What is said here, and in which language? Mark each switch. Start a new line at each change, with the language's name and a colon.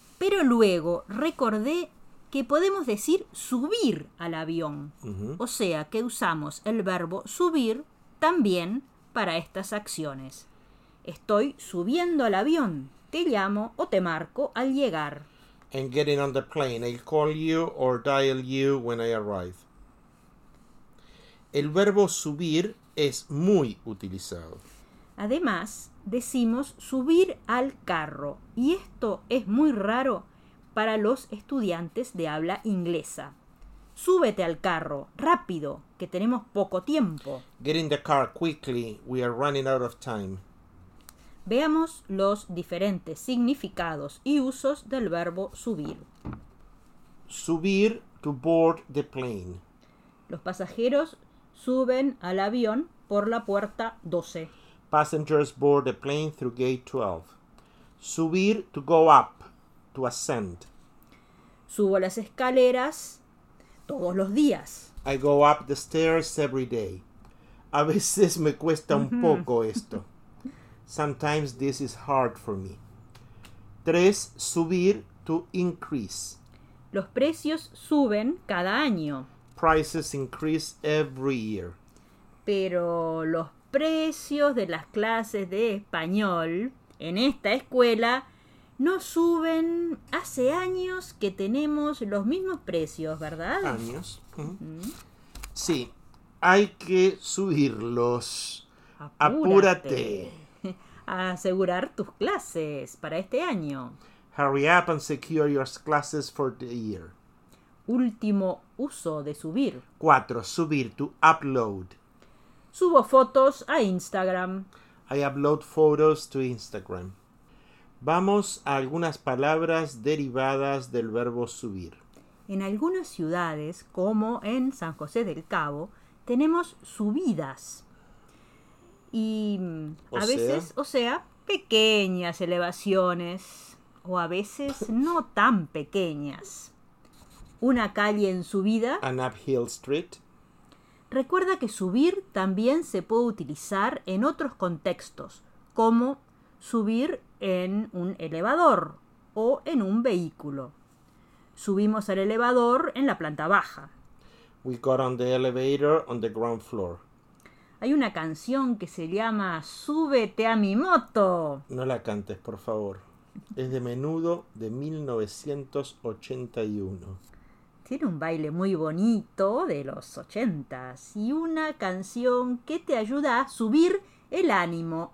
Spanish: Pero luego recordé que podemos decir subir al avión. O sea, que usamos el verbo subir también para estas acciones. Estoy subiendo al avión. Te llamo o te marco al llegar.
English: And getting on the plane. I'll call you or dial you when I arrive.
Spanish: El verbo subir es muy utilizado. Además, decimos subir al carro. Y esto es muy raro para los estudiantes de habla inglesa. Súbete al carro, rápido, que tenemos poco tiempo.
English: Get in the car quickly. We are running out of time.
Spanish: Veamos los diferentes significados y usos del verbo subir.
English: Subir to board the plane.
Spanish: Los pasajeros suben al avión por la puerta 12.
English: Passengers board the plane through gate 12. Subir to go up, to ascend.
Spanish: Subo las escaleras todos los días.
English: I go up the stairs every day.
Spanish: A veces me cuesta un poco esto.
English: Sometimes this is hard for me. 3. Subir to increase.
Spanish: Los precios suben cada año.
English: Prices increase every year.
Spanish: Pero los precios de las clases de español en esta escuela no suben hace años que tenemos los mismos precios, ¿verdad? Años. Sí, hay que subirlos. Apúrate. A asegurar tus clases para este año.
English: Hurry up and secure your classes for the year.
Spanish: Último uso de subir.
English: 4. Subir to upload.
Spanish: Subo fotos a Instagram.
English: I upload photos to Instagram.
Spanish: Vamos a algunas palabras derivadas del verbo subir. En algunas ciudades, como en San José del Cabo, tenemos subidas. Y a veces, o sea, pequeñas elevaciones, o a veces no tan pequeñas. Una calle en subida.
English: An uphill street.
Spanish: Recuerda que subir también se puede utilizar en otros contextos, como subir en un elevador o en un vehículo. Subimos al elevador en la planta baja.
English: We got on the elevator on the ground floor.
Spanish: Hay una canción que se llama Súbete a mi moto. No la cantes, por favor. Es de Menudo, de 1981. Tiene un baile muy bonito de los 80s. Y una canción que te ayuda a subir el ánimo.